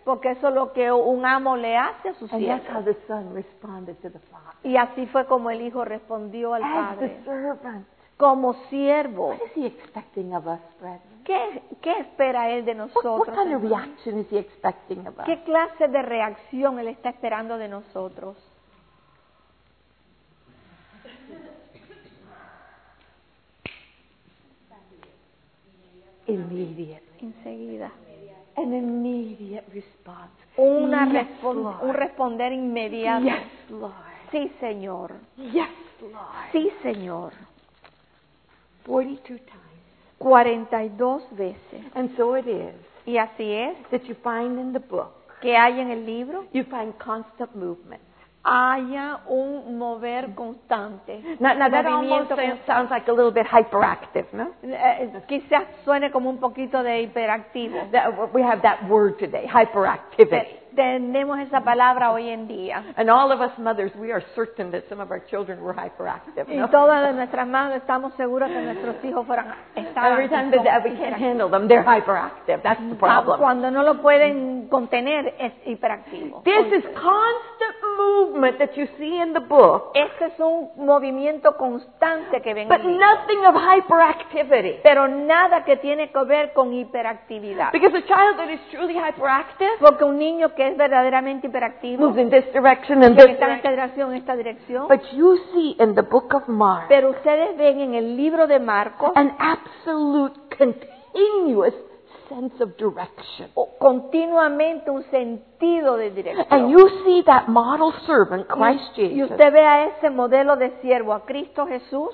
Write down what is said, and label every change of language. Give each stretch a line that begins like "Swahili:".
Spanish: Porque eso es lo que un amo le hace a su siervo.
English: And that's how the son responded to the father.
Spanish: Y así fue como el hijo respondió al
English: As
Spanish: padre.
English: As the servant.
Spanish: Como siervo.
English: What is he expecting of us, brethren?
Spanish: ¿Qué espera él de nosotros?
English: What kind of reaction is he expecting of us?
Spanish: ¿Qué clase de reacción él está esperando de nosotros?
English: Immediate.
Spanish: Enseguida.
English: An immediate response.
Spanish: Un responder inmediato.
English: Yes, Lord.
Spanish: Sí, Señor.
English: Yes, Lord.
Spanish: Sí, Señor.
English: 42 times.
Spanish: 42 veces.
English: And so it is.
Spanish: Y así es.
English: That you find in the book.
Spanish: Que hay en el libro.
English: You find constant movement.
Spanish: Haya un mover constante.
English: Now that almost sounds like a little bit hyperactive, no?
Spanish: Quizás suene como un poquito de hiperactivo.
English: We have that word today, hyperactivity.
Spanish: Tenemos esa palabra hoy en día.
English: And all of us mothers, we are certain that some of our children were hyperactive.
Spanish: Y todas nuestras madres estamos seguras que nuestros hijos fueran.
English: Every time that we can't handle them, they're hyperactive. That's the problem.
Spanish: Cuando no lo pueden contener, es hiperactivo.
English: This is constant movement that you see in the book.
Spanish: Este es un movimiento constante que ven.
English: But nothing of hyperactivity.
Spanish: Pero nada que tiene que ver con hiperactividad.
English: Because a child that is truly hyperactive.
Spanish: Porque un niño que es verdaderamente hiperactivo.
English: Moves in this direction and this
Spanish: en esta dirección, esta dirección.
English: But you see in the book of Mark.
Spanish: Pero ustedes ven en el libro de Marcos.
English: An absolute continuous sense of direction.
Spanish: Continuamente un sentido de dirección.
English: And you see that model servant, Christ Jesus.
Spanish: Y usted ve a ese modelo de siervo, a Cristo Jesús.